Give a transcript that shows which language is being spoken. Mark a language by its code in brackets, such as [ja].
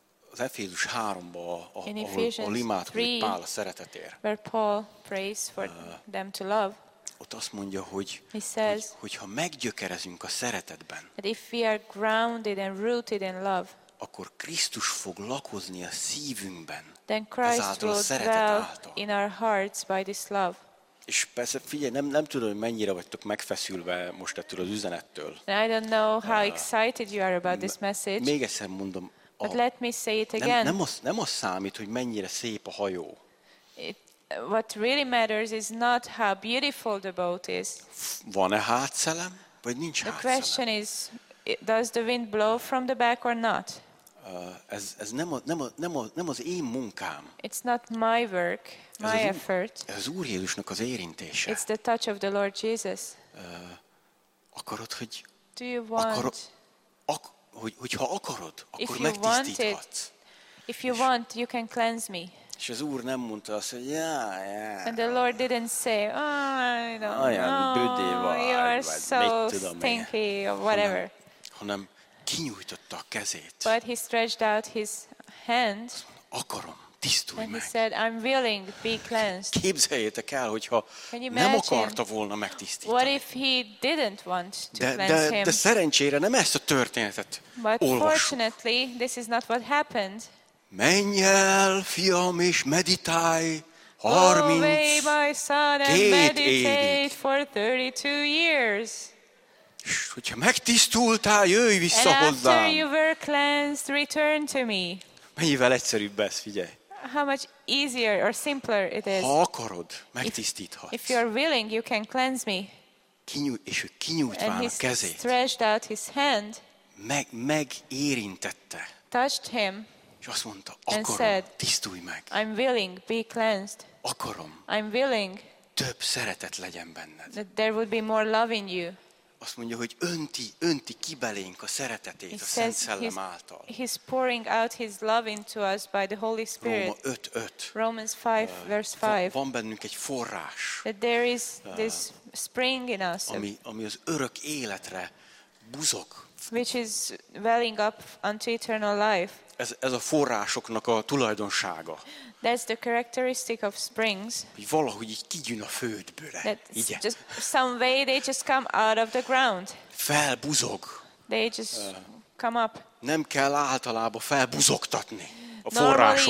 [hu] Az Efézus 3-ba, ahol imádkozott Pál a szeretetért. [en] Where Paul prays for them to love. [hu] Ott azt mondja, hogy [en] he says, [hu] hogyha meggyökerezünk a szeretetben, [en] that if we are grounded and rooted in love, [hu] akkor Krisztus fog lakozni a szívünkben. [en] Then Christ will dwell in our hearts by this love. [hu] És persze, figyelj, nem tudom, hogy mennyire vagytok megfeszülve most ettől az üzenettől. [en] And I don't know how excited you are about this message. [hu] Még egyszer mondom. [en] But let me say it again. [hu] Nem az számít, hogy mennyire szép a hajó. [en] What really matters is not how beautiful the boat is. [hu] Van-e hátszelem, vagy nincs hátszelem? [en] The question is, does the wind blow from the back or not? [hu] Ez nem az én munkám. [en] It's not my work, my effort. [hu] Ez az Úr Jézusnak az érintése. [en] It's the touch of the Lord Jesus. [hu] Akarod, hogy [en] do you want, [hu] hogyha akarod, akkor megtisztíthatsz. [en] If you want, you can cleanse me. [hu] És az Úr nem mondta azt, hogy yeah. [en] And the Lord didn't say, oh, I don't know, you are so stinky, or whatever. [hu] Hanem kinyújtotta a kezét. [en] But he stretched out his hand. [hu] Akarom, tisztulj meg. [en] And he said, I'm willing, be cleansed. [hu] Képzeljétek el, hogyha nem akarta volna megtisztítani. [en] What if he didn't want to cleanse him? [hu] De szerencsére nem ezt a történetet [en] but [hu] olvasom. [en] Fortunately, this is not what happened. [hu] Menj el, fiam, és meditálj 32 [en] years. [hu] És hogyha megtisztultál, jöjj vissza hozzám. [en] And after you were cleansed, return to me. [hu] Mennyivel egyszerűbb ez, figyelj. [en] How much easier or simpler it is. [hu] Ha akarod, megtisztíthatsz. [en] If you're willing, you can cleanse me. [hu] És ő kinyújtván a kezét. [en] And he stretched out his hand. [hu] Megérintette. [en] Touched him. [hu] És azt mondta, akarom, tisztulj meg. [en] I'm willing, be cleansed. [hu] Akarom. [en] I'm willing. [hu] Több szeretet legyen benned. [en] That there would be more love in you. [hu] Azt mondja, hogy önti ki belénk a szeretetét a Szent Szellem által. [en] He's pouring out his love into us by the Holy Spirit. [hu] Róma 5:5. [en] Romans 5 verse 5. [hu] Van bennünk egy forrás. [en] That there is this spring in us. [hu] Ami az örök életre buzog. [en] Which is welling up unto eternal life. [hu] Ez a forrásoknak a tulajdonsága. [en] That's the characteristic of springs. [hu] Valahogy így kigyűn a földből. [en] That just some way they just come out of the ground. [hu] Felbuzog. [en] They just come up. [hu] Nem kell általában felbuzogtatni a forrásokat.